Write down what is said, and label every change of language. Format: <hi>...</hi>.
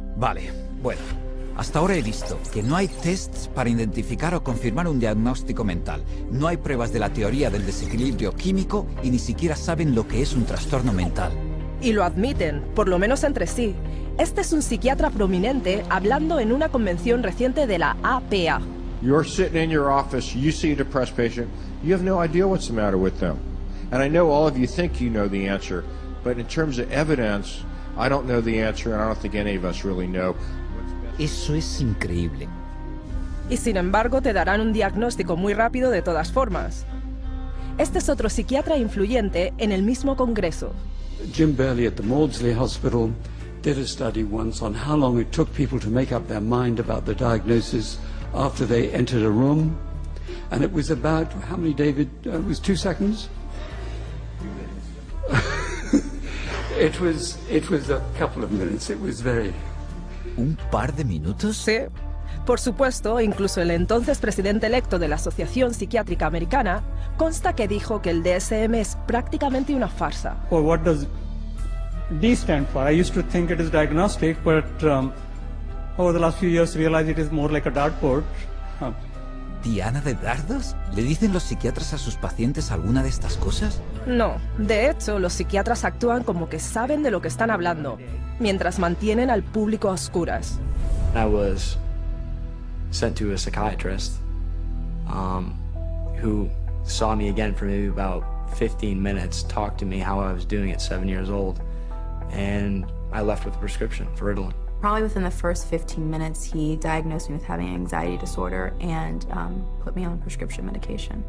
<es>Vale. Bueno, hasta ahora he visto que no hay tests para identificar o confirmar un diagnóstico mental. No hay pruebas de la teoría del desequilibrio químico y ni siquiera saben lo que es un trastorno mental. Y lo admiten, por lo menos entre sí. Este es un psiquiatra prominente hablando en una convención reciente de la APA.</es> <en>You're sitting in your office, you see a depressed patient, you have no idea what's the matter with them. And I know all of you think you know the answer, but in terms of evidence, I don't know the answer and I don't think any of us really know.</en> <es>Eso es increíble. Y sin embargo, te darán un diagnóstico muy rápido de todas formas. Este es otro psiquiatra influyente en el mismo congreso.</es> <en>Jim Bailey at the Maudsley Hospital did a study once on how long it took people to make up their mind about the diagnosis after they entered a room, and it was about how many, David? It was 2 seconds. It was a couple of minutes. It was very.</en> <es>Un par de minutos. Sí. Por supuesto, incluso el entonces presidente electo de la Asociación Psiquiátrica Americana consta que dijo que el DSM es prácticamente una farsa.</es> <en>Well, what does D stand for? I used to think it is diagnostic, but over the last few years realize it is more like a dartboard.</en> <es>¿Diana de dardos? ¿Le dicen los psiquiatras a sus pacientes alguna de estas cosas? No. De hecho, los psiquiatras actúan como que saben de lo que están hablando, mientras mantienen al público a oscuras.</es> <en>I was sent to a psychiatrist who saw me again for maybe about 15 minutes, talked to me how I was doing at 7 years old, and I left with a prescription for Ritalin. Probably within the first 15 minutes, he diagnosed me with having anxiety disorder and put me on prescription medication.</en>